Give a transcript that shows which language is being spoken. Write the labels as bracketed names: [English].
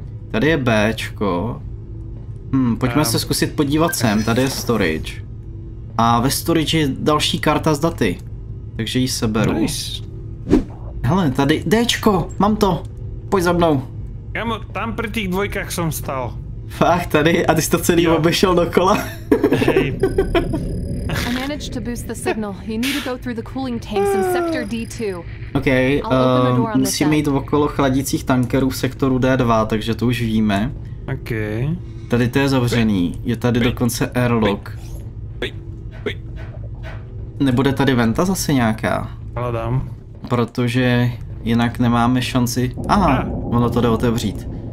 [Czech] Tady je Bčko. Pojďme se zkusit podívat sem, tady je storage. A ve storage je další karta z daty. Takže ji seberu. [English] Nice. [Czech] Hele, tady Dčko, mám to. Pojď za mnou. Kámo, tam pri těch dvojkách jsem stál. Fakt, tady? A ty jsi to celý obešel dokola? Hej. [English] I managed to boost the signal. You need to go through the cooling tanks in sector D2. [Czech] OK, musíme jít okolo chladicích tankerů v sektoru D2, takže to už víme. [English] OK. [Czech] Tady to je zavřený, je tady dokonce airlock. Nebude tady venta zase nějaká? Hledám. Protože jinak nemáme šanci... Aha, ono to jde otevřít.